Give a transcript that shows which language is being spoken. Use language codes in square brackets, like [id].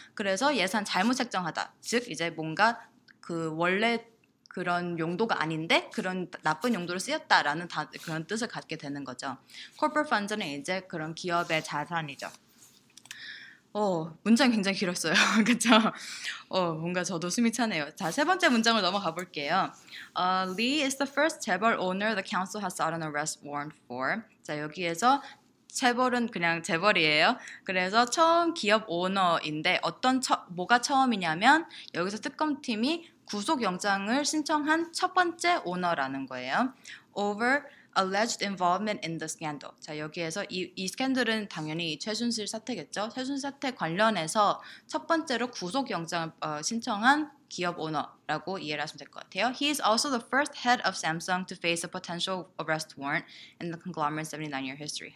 [ko] 그래서 예산 잘못 책정하다. 즉 이제 뭔가 그 원래 그런 용도가 아닌데 그런 나쁜 용도로 쓰였다라는 그런 뜻을 갖게 되는 거죠. Corporate funds는 이제 그런 기업의 자산이죠. 문장이 굉장히 길었어요. 그렇죠? 뭔가 저도 숨이 차네요. 자, 세 번째 문장을 넘어가 볼게요. [en] Lee is the first 재벌 owner the council has sought an arrest warrant for. [ko] 자, 여기에서 재벌은 그냥 재벌이에요. 그래서 처음 기업 오너인데 뭐가 처음이냐면 여기서 특검팀이 구속영장을 신청한 첫 번째 오너라는 거예요. [en] Over alleged involvement in the scandal. [ko] 자, 여기에서 이 스캔들은 당연히 최순실 사태겠죠. 최순실 사태 관련해서 첫 번째로 구속영장을 신청한 기업 오너라고 이해를 하시면 될 것 같아요. [en] He is also the first head of Samsung to face a potential arrest warrant in the conglomerate's 79-year history.